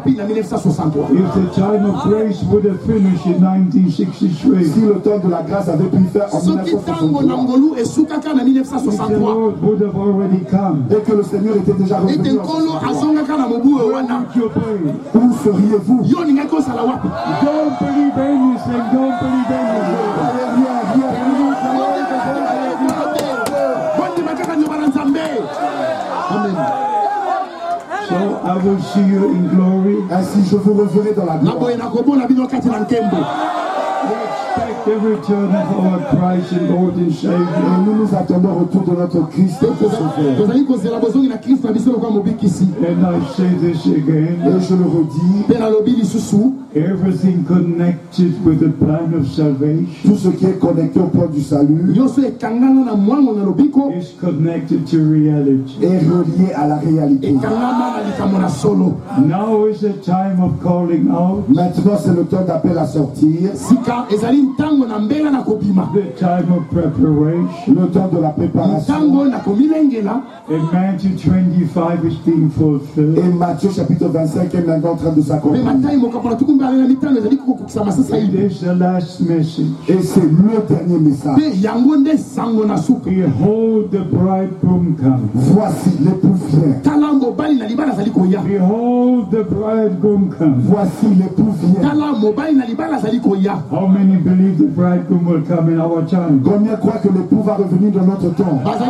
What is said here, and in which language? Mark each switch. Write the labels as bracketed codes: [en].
[en] If the time of grace would have finished in 1963, [fr] si le temps de la grâce avait pu faire en 1963, [en] the Lord would have already come. [fr] Et que le Seigneur était déjà revenu. Où seriez-vous? [en] Don't believe anything. Don't believe anything. Amen. So I will see you in glory. [fr] Ainsi je vous reverrai dans la gloire. [en] Every turn of our Christ and Lord and Savior. [fr] Et nous nous attendons au retour de notre Christ et de son Père. [en] And I say this again. [fr] Et je le redis. [en] Everything connected with the plan of salvation. [fr] Tout ce qui est connecté au plan du salut. [en] Is connected to reality. [fr] Est relié à la réalité. [en] Now is the time of calling out. [fr] Maintenant c'est le temps d'appel à sortir. [en] The time of preparation. [fr] Le temps de la préparation. [en] And Matthew 25 is being fulfilled. [fr] Et Matthieu chapitre 25 est maintenant en train de s'accomplir. [en] It is the last message. [fr] Et c'est le dernier message. [en] Behold the bridegroom comes. [fr] Voici l'époux vient. [en] Behold the bridegroom comes. [fr] Voici l'époux vient. [en] How many believe the bridegroom will come in our time? [fr] Combien croient que l'époux va revenir dans notre temps?